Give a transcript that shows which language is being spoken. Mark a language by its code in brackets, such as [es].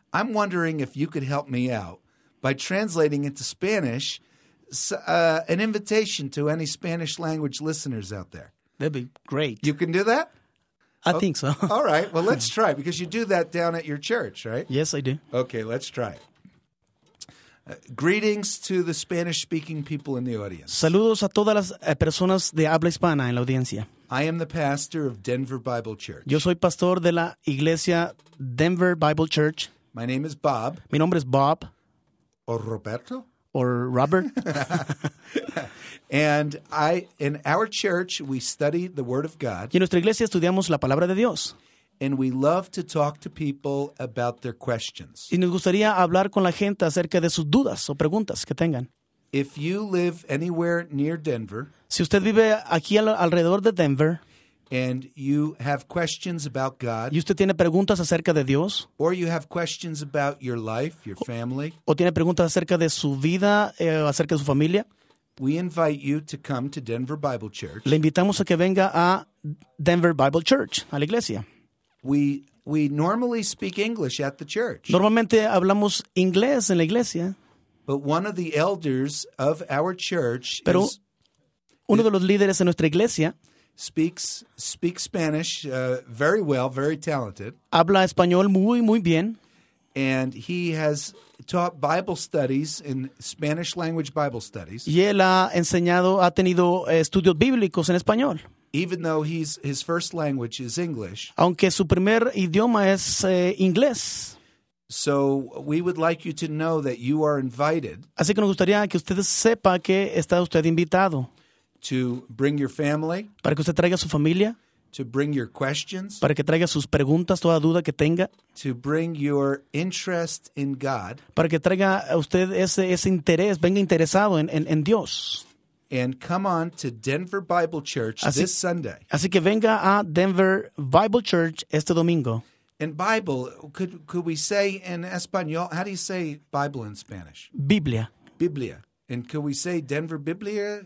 [en] I'm wondering if you could help me out by translating into Spanish an invitation to any Spanish language listeners out there. That'd be great. You can do that? I think so. All right. Well, let's try, because you do that down at your church, right? Yes, I do. Okay, let's try. Greetings to the Spanish-speaking people in the audience. [es] Saludos a todas las personas de habla hispana en la audiencia. [en] I am the pastor of Denver Bible Church. [es] Yo soy pastor de la iglesia Denver Bible Church. [en] My name is Bob. [es] Mi nombre es Bob. [en] Or Roberto. Or Robert. And I, in our church, we study the Word of God. [es] Y en nuestra iglesia estudiamos la palabra de Dios. [en] And we love to talk to people about their questions. [es] Y nos gustaría hablar con la gente acerca de sus dudas o preguntas que tengan. [en] If you live anywhere near Denver, [es] si usted vive aquí alrededor de Denver, [en] and you have questions about God, [es] y usted tiene preguntas acerca de Dios, [en] or you have questions about your life, your family, [es] o tiene preguntas acerca de su vida, acerca de su familia. [en] We invite you to come to Denver Bible Church. [es] Le invitamos a que venga a Denver Bible Church, a la iglesia. [en] We normally speak English at the church. [es] Normalmente hablamos inglés en la iglesia. [en] But one of the elders of our church [es] de los líderes de nuestra iglesia [en] speaks Spanish very well, very talented. [es] Habla español muy, muy bien. [en] And he has taught Bible studies in Spanish language Bible studies. [es] Y él ha tenido estudios bíblicos en español. [en] Even though his first language is English. [es] Aunque su primer idioma es inglés. [en] So we would like you to know that you are invited. [es] Así que nos gustaría que usted sepa que está usted invitado. [en] To bring your family. [es] Para que usted traiga su familia. [en] To bring your questions. [es] Para que traiga sus preguntas, toda duda que tenga. [en] To bring your interest in God. [es] Para que traiga a usted ese interés, venga interesado en Dios. [en] And come on to Denver Bible Church this Sunday. [es] Así que venga a Denver Bible Church este domingo. [en] And Bible, could we say in Espanol, how do you say Bible in Spanish? [es] Biblia. [en] Biblia. And could we say Denver Biblia?